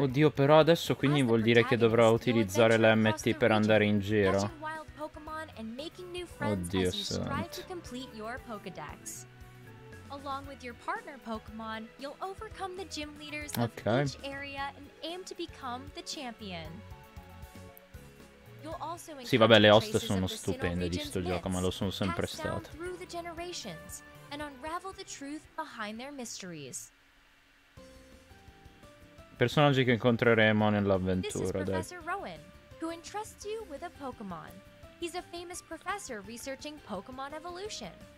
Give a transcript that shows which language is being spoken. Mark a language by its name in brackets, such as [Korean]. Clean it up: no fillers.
[Italian] Oddio, però adesso quindi as vuol dire che dovrò utilizzare le MT per andare in giro. [English] And making new friends as you strive to complete your Pokédex. Along with your partner Pokémon, you'll overcome the gym leaders of each area and aim to become the champion. [Italian] Sì, vabbè, le host sono stupende di sto gioco, ma lo sono sempre state. [English] Through the generations and unravel the truth behind their mysteries. [Italian] Personaggi che incontreremo nell'avventura, dai. [English] This is Professor Rowan, who entrusts you with a Pokémon. He's a famous professor researching Pokemon evolution.